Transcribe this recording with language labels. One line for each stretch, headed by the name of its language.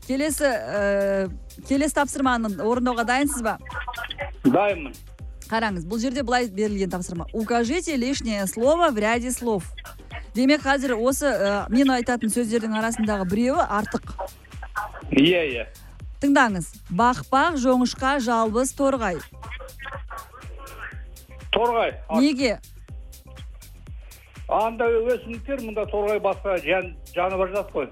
Kazakh: Келесі тапсырманы орындауға дайынсыз ба? Дайынмын. Қараңыз, бұл жерде былай берілген тапсырма.
Russian: Укажите лишнее слово в ряде слов.
Kazakh: Демек, қазір осы мен айтатын сөздердің арасындағы біреуі артық. Ие. Тыңдаңыз. Бақпақ, жоңышқа, жалбыз, торғай. Торғай. Неге? Анда өсімдіктер, мұнда торғай басқа жануар жат қой.